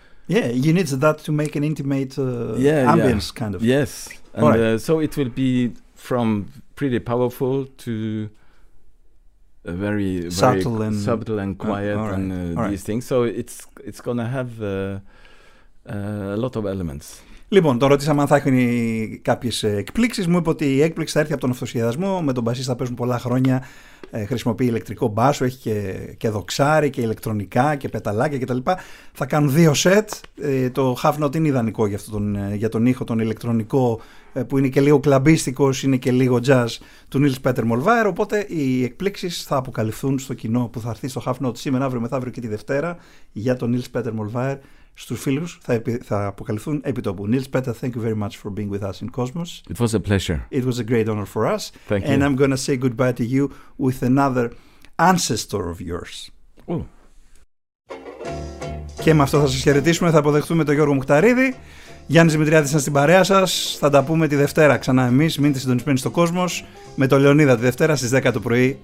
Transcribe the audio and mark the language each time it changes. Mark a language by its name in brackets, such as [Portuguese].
[English] yeah, you need that to make an intimate ambience kind of. Yes, and all right. So it will be from pretty powerful to a very subtle very and subtle and quiet right, and these right. things. So it's gonna have a lot of elements. [Greek] Λοιπόν, τον ρωτήσαμε αν θα έχουν κάποιες εκπλήξεις. Μου είπε ότι η έκπληξη θα έρθει από τον αυτοσχεδιασμό. Με τον μπασίστα παίζουν πολλά χρόνια. Χρησιμοποιεί ηλεκτρικό μπάσο, έχει και δοξάρι και ηλεκτρονικά και πεταλάκια κτλ. Θα κάνουν δύο σετ. Το Half Note είναι ιδανικό για, για τον ήχο, τον ηλεκτρονικό, που είναι και λίγο κλαμπίστικος, είναι και λίγο jazz του Nils Petter Mollvær. Οπότε οι εκπλήξεις θα αποκαλυφθούν στο κοινό που θα έρθει στο Half Note σήμερα, αύριο, μεθαύριο και τη Δευτέρα για τον Nils Petter Mollvær. Στους φίλους θα αποκαλυφθούν επί τόπου. [English] Nils Petter, thank you very much for being with us in Cosmos. It was a pleasure. It was a great honor for us. Thank you. And I'm going to say goodbye to you with another ancestor of yours. Ooh. [Greek] Και με αυτό θα σας χαιρετήσουμε. Θα αποδεχτούμε τον Γιώργο Μουχταρίδη. Γιάννης Δημητριάδης είναι στην παρέα σας. Θα τα πούμε τη Δευτέρα ξανά εμείς. Μείνετε συντονισμένοι στο Cosmos με τον Λεωνίδα τη Δευτέρα στις 10 το πρωί.